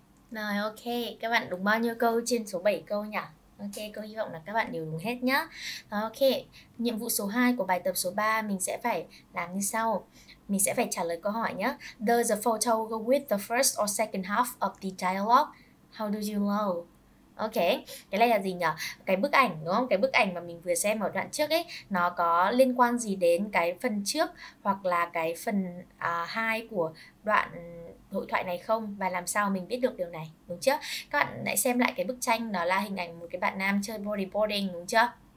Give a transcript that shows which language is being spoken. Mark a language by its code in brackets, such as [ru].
[vi] Rồi ok, các bạn đúng bao nhiêu câu trên số 7 câu nhỉ? Ok, cô hy vọng là các bạn đều đúng hết nhá. Ok, nhiệm vụ số 2 của bài tập số 3 mình sẽ phải làm như sau. Mình sẽ phải trả lời câu hỏi nhá. [en] Does the photo go with the first or second half of the dialogue? How do you know? Ok, [vi] cái này là gì nhỉ? Cái bức ảnh đúng không? Cái bức ảnh mà mình vừa xem ở đoạn trước ấy, nó có liên quan gì đến cái phần trước hoặc là cái phần 2 của đoạn hội thoại này không? Và làm sao mình biết được điều này, đúng chưa? Các bạn hãy xem lại cái bức tranh, nó là hình ảnh một cái bạn nam chơi bodyboarding, đúng chưa?